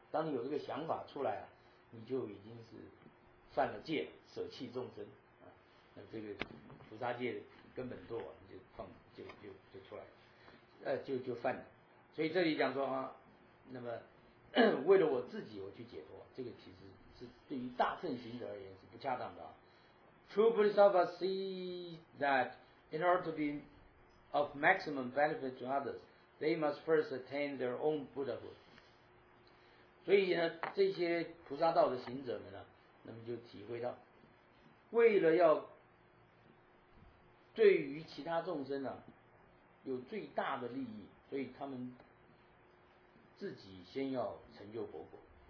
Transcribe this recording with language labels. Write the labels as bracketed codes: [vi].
[zh] 当你有这个想法出来啊，你就已经是犯了戒，舍弃众生啊，那这个菩萨戒根本堕啊，就放就出来，就犯了。所以这里讲说啊，那么为了我自己我去解脱，这个其实是对于大乘行者而言是不恰当的啊。 [en] True Bodhisattva see that in order to be of maximum benefit to others, they must first attain their own Buddhahood. [zh] 所以呢，这些菩萨道的行者们呢，那么就体会到，为了要对于其他众生呢、啊、有最大的利益，所以他们自己先要成就佛果。